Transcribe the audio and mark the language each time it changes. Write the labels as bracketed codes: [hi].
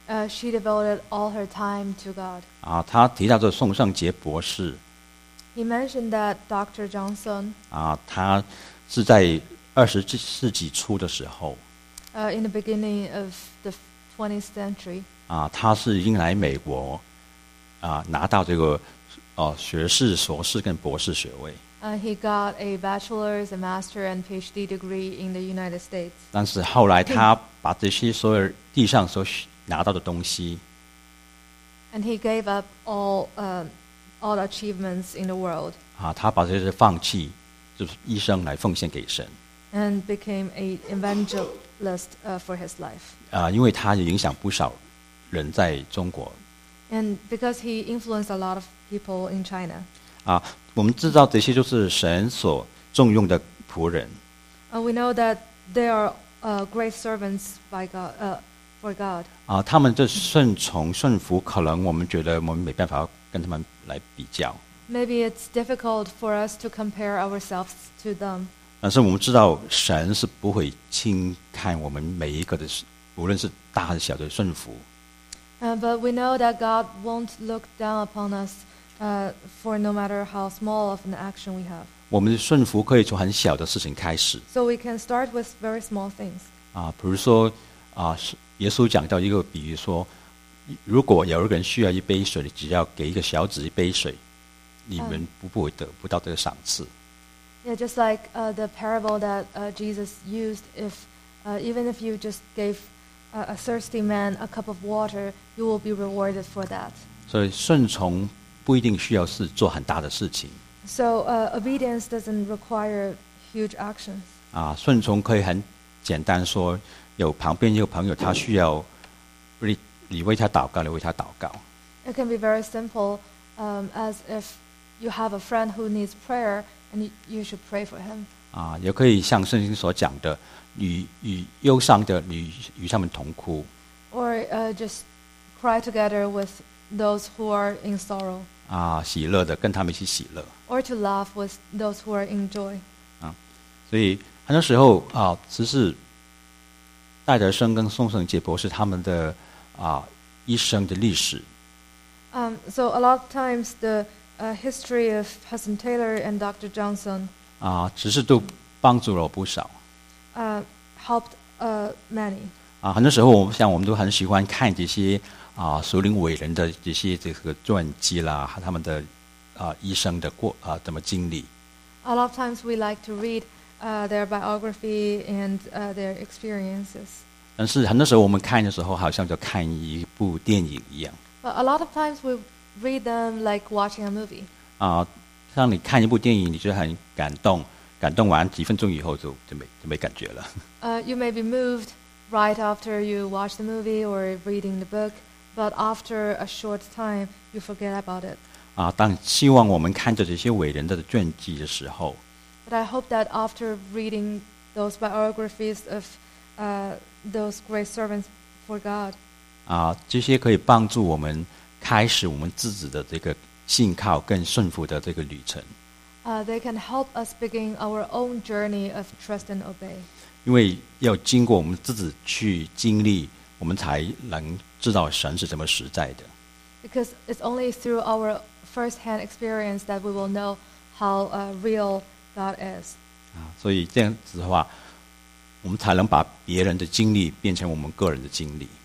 [en] She devoted all her time to God. [zh] 啊，他提到这宋尚杰博士。 [en] He mentioned that Dr. Johnson. [zh] 啊，他是在20世纪初的时候。 [en] In the beginning of the 20th century, [zh] 啊，他是迎来美国，啊，拿到这个，学士、硕士跟博士学位。 [en] He got a bachelor's, a master, and PhD degree in the United States. [zh] 但是后来他把这些所有地上所拿到的东西 [en] ，and he gave up all the achievements in the world. [zh] 啊，他把这些放弃，就是一生来奉献给神。 [en] And became an evangelist for his life. [zh] 因为他影响不少人在中国。 [en] And because he influenced a lot of people in China. [zh] 啊，我们知道这些就是神所重用的仆人。 [en] We know that they are great servants by God, for God. [zh] 啊，他们的顺从顺服，可能我们觉得我们没办法跟他们来比较。 [en] Maybe it's difficult for us to compare ourselves to them. [zh] 但是我们知道神是不会轻看我们每一个的无论是大还是小的顺服。 [en] But we know that God won't look down upon us for no matter how small of an action we have. [zh] 我们的顺服可以从很小的事情开始。 [en] So we can start with very small things. [zh] 啊，比如说啊，耶稣讲到一个比喻说，如果有一个人需要一杯水，你只要给一个小子一杯水，你们不会得不到这个赏赐。 [en] Yeah, just like the parable that Jesus used, even if you just gave a thirsty man a cup of water, you will be rewarded for that. [zh] 所以顺从不一定需要是做很大的事情。 [en] So obedience doesn't require huge actions. [zh] 啊，顺从可以很简单说，有旁边一个朋友他需要你为他祷告，你为他祷告。 [en] It can be very simple, as if you have a friend who needs prayer. And you should pray for him. [zh] 啊，也可以像圣经所讲的，你与忧伤的，你与他们同哭。 [en] Or just cry together with those who are in sorrow. [zh] 啊，喜乐的，跟他们一起喜乐。 [en] Or to laugh with those who are in joy. [zh] 啊，所以很多时候啊，只是戴德生跟宋圣杰博士他们的啊一生的历史。 [en] So a lot of times the history of Hudson Taylor and Dr. Johnson. [zh] 啊，其实都帮助了不少。 [en] Helped many. [zh] 啊，很多时候，像我们都很喜欢看这些啊，属灵伟人的一些这个传记啦，他们的啊一生的过啊怎么经历。 [en] A lot of times we like to read their biography and their experiences. [zh] 但是很多时候我们看的时候，好像就看一部电影一样。 [en] But a lot of times we read them like watching a movie. [zh] 啊，当你看一部电影，你就很感动。感动完几分钟以后就没感觉了。 [en] You may be moved right after you watch the movie or reading the book, but after a short time, you forget about it. [zh] 啊，当希望我们看着这些伟人的传记的时候 [en] ，But I hope that after reading those biographies of those great servants for God, [zh] 啊，这些可以帮助我们开始我们自己的这个信靠跟顺服的这个旅程。 [en] They can help us begin our own journey of trust and obey. [zh] 因为要经过我们自己去经历，我们才能知道神是怎么实在的。 [en] Because it's only through our first-hand experience that we will know how real God is. [zh] 所以这样子的话，我们才能把别人的经历变成我们个人的经历。